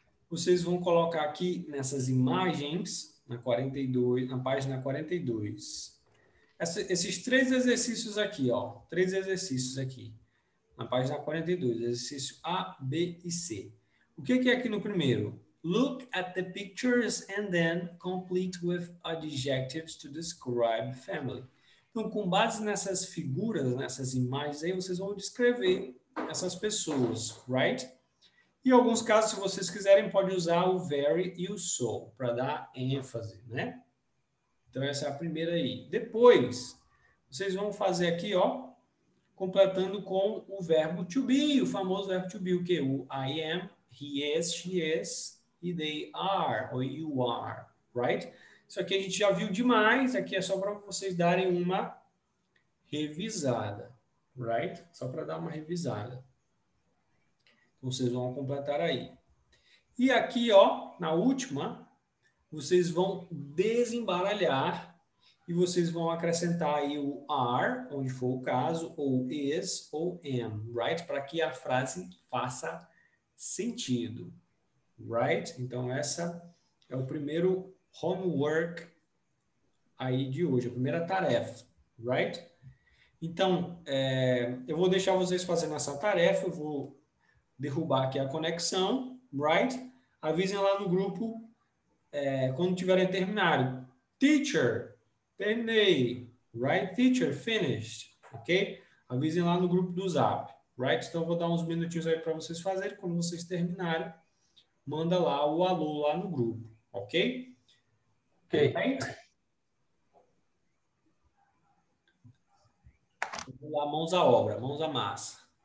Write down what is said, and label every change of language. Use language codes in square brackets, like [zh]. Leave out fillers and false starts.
[pt] Vocês vão colocar aqui nessas imagens, na 42, na página 42. Esses três exercícios aqui, ó. Três exercícios aqui. Na página 42, exercício A, B e C. O que é aqui no primeiro? [en] Look at the pictures and then complete with adjectives to describe family. [pt] Então, com base nessas figuras, nessas imagens aí, vocês vão descrever essas pessoas, right? Em alguns casos, se vocês quiserem, pode usar o very e o so, para dar ênfase, né? Então, essa é a primeira aí. Depois, vocês vão fazer aqui, ó, completando com o verbo to be, o famoso verbo to be, o quê? [en] O I am, he is, she is, e they are, ou you are, right? [pt] Isso aqui a gente já viu demais, aqui é só para vocês darem uma revisada, right? Só para dar uma revisada. Então, vocês vão completar aí. E aqui, ó, na última, vocês vão desembaralhar e vocês vão acrescentar aí o are, onde for o caso, ou is, ou am, right? Para que a frase faça sentido, right? Então, essa é o primeiro homework aí de hoje, a primeira tarefa, right? Então, eu vou deixar vocês fazendo essa tarefa, eu vou derrubar aqui a conexão, right? Avisem lá no grupo quando tiverem terminado. Teacher, terminei, right? [en] Teacher, finished, ok? [pt] Avisem lá no grupo do Zap, right? Então, eu vou dar uns minutinhos aí para vocês fazerem. Quando vocês terminarem, manda lá o alô lá no grupo, ok? [en] Okay. [pt] Vamos lá, mãos à obra, mãos à massa.